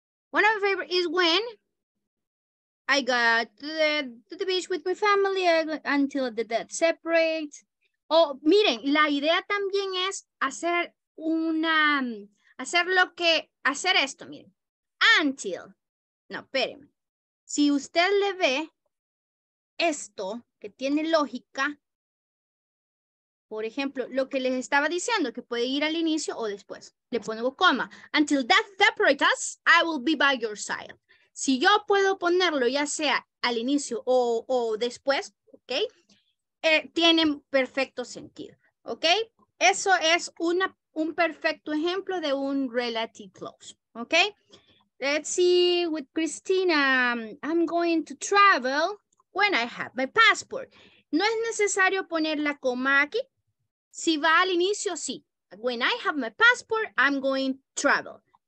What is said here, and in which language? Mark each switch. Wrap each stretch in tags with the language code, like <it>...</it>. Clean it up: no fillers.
<en>One of my favorite is when I got to the beach with my family until the death separate.</en> <es>Oh, miren, la idea también es hacer una, hacer lo que, hacer esto, miren.</es> <en>Until.</en> <es>No, espérenme. Si usted le ve esto que tiene lógica, por ejemplo, lo que les estaba diciendo, que puede ir al inicio o después, le pongo coma.</es> <en>Until death separates us, I will be by your side.</en> <es>Si yo puedo ponerlo ya sea al inicio o después, ¿ok? Tiene perfecto sentido, ¿ok? Eso es un perfecto ejemplo de un relative clause, ¿ok?</es> <en>Let's see with Christina. I'm going to travel when I have my passport.</en> <es>No es necesario poner la coma aquí. Si va al inicio, sí.</es> <en>When I have my passport, I'm going to travel.</en>